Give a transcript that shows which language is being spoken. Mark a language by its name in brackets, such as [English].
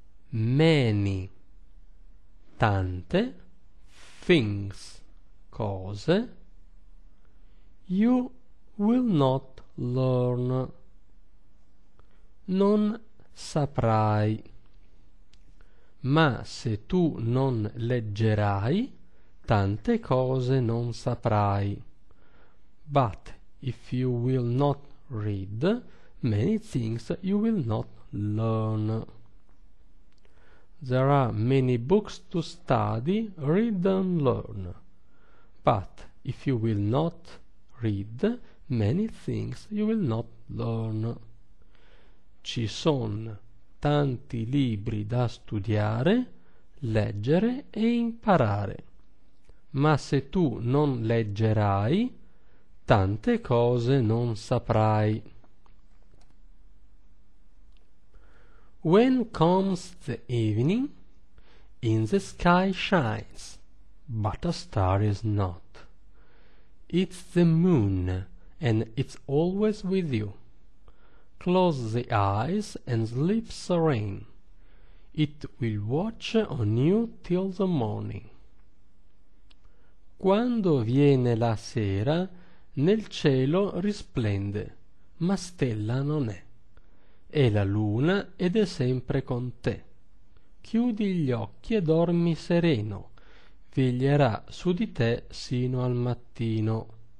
[English] many, [Italian] tante, [English] things, [Italian] cose, [English] you will not learn, [Italian] non saprai. Ma se tu non leggerai, tante cose non saprai. [English] But if you will not read, many things you will not learn. There are many books to study, read and learn. But if you will not read, many things you will not learn. [Italian] Ci sono tanti libri da studiare, leggere e imparare. Ma se tu non leggerai, tante cose non saprai. [English] When comes the evening, In the sky shines, but a star is not. It's the moon, and it's always with you. Close the eyes and sleep serene. It will watch on you till the morning. [Italian] Quando viene la sera, nel cielo risplende, ma stella non è. È la luna ed è sempre con te. Chiudi gli occhi e dormi sereno, veglierà su di te sino al mattino.